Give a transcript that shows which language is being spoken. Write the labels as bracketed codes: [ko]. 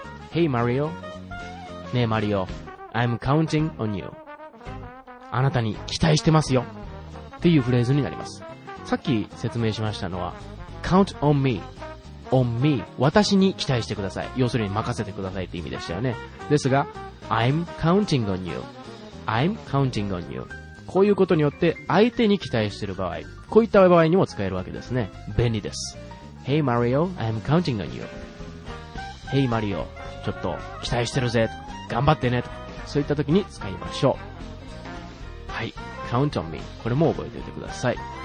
[en] Hey Mario, [ja] ねえマリオ、 [en] I'm counting on you. [ja] あなたに期待してますよっていうフレーズになります。さっき説明しましたのは、 [en] count on me, on me, [ja] 私に期待してください。要するに任せてくださいって意味でしたよね。ですが、 [en] I'm counting on you, I'm counting on you. [ja] こういうことによって相手に期待している場合、こういった場合にも使えるわけですね。便利です。 [en] Hey Mario, I'm counting on you. Hey Mario, [ja] ちょっと期待してるぜ、頑張ってね、そういった時に使いましょう。はい、 [en] count on me、 [ja] これも覚えておいてください。